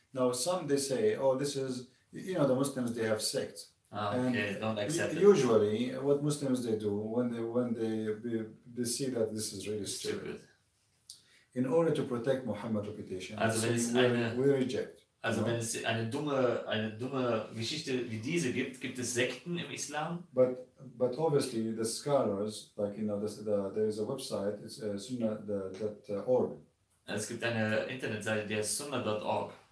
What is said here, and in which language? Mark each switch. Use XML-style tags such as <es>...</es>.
<en>Now some they say, oh, this is, you know, the Muslims, they have sects. Usually, what Muslims they do when they see that this is really stupid, in order to protect Muhammad's reputation, we reject.</en> <de>Also wenn es eine dumme Geschichte wie diese gibt, gibt es Sekten im Islam?</de> <en>But obviously the scholars, like, you know, there is a website, it's sunnah.org.</en> <de>Es gibt eine Internetseite, die heißt sunnah.org.</de>